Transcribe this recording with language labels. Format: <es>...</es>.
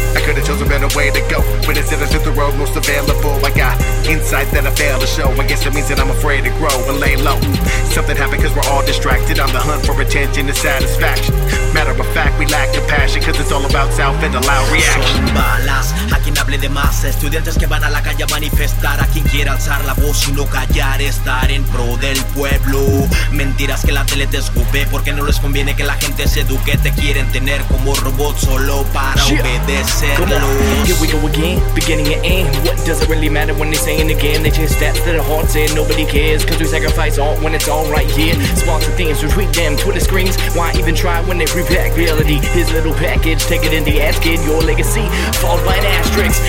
<en>I could've chosen a better way to go, but instead I took the road most available. I got insight that I fail to show. I guess it means that I'm afraid to grow and lay low. Something happened cause we're all distracted on the hunt for attention and satisfaction. Matter of fact, we lack compassion cause it's all about self and a loud reaction.</en> <es>Son balas, a quien hable de más. Estudiantes que van a la calle a manifestar. A quien quiera alzar la voz y no callar. Estar en pro del pueblo. Mentiras que la tele te escupe, porque no les conviene que la gente se eduque. Te quieren tener como robot solo para obedecerlos.</es> <en>Here we go again, beginning and end. What does it really matter when they saying again? They chase steps that are hearts in. Nobody cares cause we sacrifice all when it's all right here. Sponsor things, retweet them, Twitter screens. Why even try when they repack reality? His little package, take it in the ass, kid. Your legacy, followed by an asterisk.</en>